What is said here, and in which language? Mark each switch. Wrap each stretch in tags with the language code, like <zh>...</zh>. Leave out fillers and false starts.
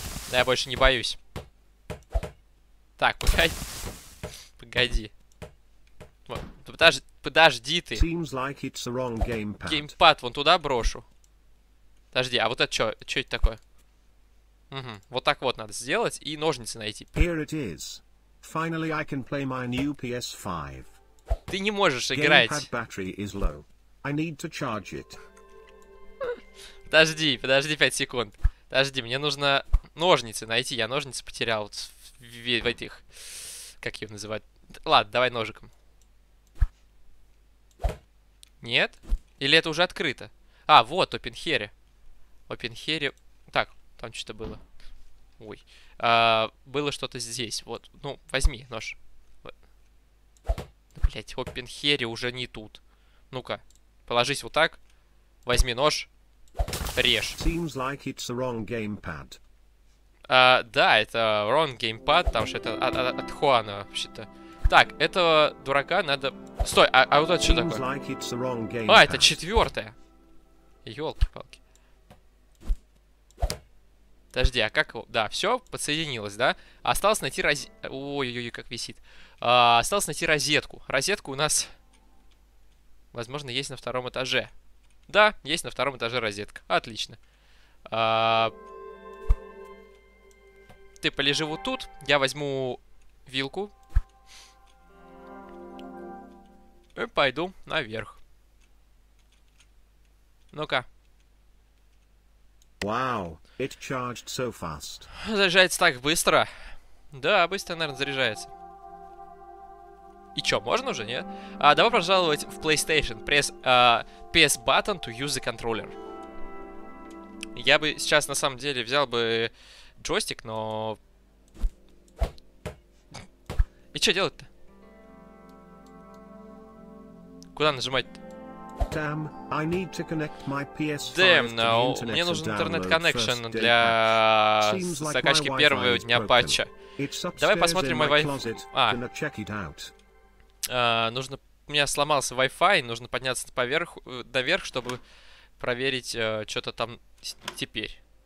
<ru>Да я больше не боюсь. Так, погоди. Погоди. Вот. Подожди ты. Геймпад вон туда брошу. Подожди, а вот это что это такое? Угу. Вот так вот надо сделать и ножницы найти.</ru> <en>Here it is. Finally I can play my new PS5.</en> <ru>Ты не можешь играть.</ru> <en>Gamepad battery is low. I need to charge it.</en> <ru>Подожди 5 секунд. Подожди, мне нужно ножницы найти. Я ножницы потерял вот в этих... Как их называть? Ладно, давай ножиком. Нет? Или это уже открыто? А, вот, Open Harry. Open Harry... Так, там что-то было. Ой. А, было что-то здесь. Вот, ну, возьми нож. Блять, Open Harry уже не тут. Ну-ка, положись вот так. Возьми нож. Режь.</ru> <en>Seems like it's the wrong gamepad.</en> <ru>А, да, это</ru> <en>wrong gamepad,</en> <ru>потому что это от Хуана вообще-то. Так, этого дурака надо... Стой, а вот это что такое?</ru> <en>Like it's the wrong gamepad.</en> <ru>А, это четвертое. Ёлки-палки. Подожди, а как... Да, все подсоединилось, да? Осталось найти Ой-ой-ой, как висит. А, осталось найти розетку. Розетку у нас... Возможно, есть на втором этаже. Да, есть на втором этаже розетка. Отлично. Ты полежи вот тут. Я возьму вилку. И пойду наверх. Ну-ка.</ru> <en>Wow, it charged so fast.</en> <ru>Заряжается так быстро. Да, быстро, наверное, заряжается. И чё, можно уже, нет? А, давай пожаловать в PlayStation.</ru> <en>Press PS button to use the controller.</en> <ru>Я бы сейчас на самом деле взял бы джойстик, но... И чё делать-то? Куда нажимать-то?</ru> <en>Damn, I need to connect my PS5 to the internet. Damn, no.</en> <ru>Мне нужен интернет-коннекшн для закачки первого дня патча. Давай посмотрим мой Wi-Fi. А. Нужно... У меня сломался Wi-Fi, нужно подняться поверх... наверх, чтобы проверить что-то там теперь.</ru>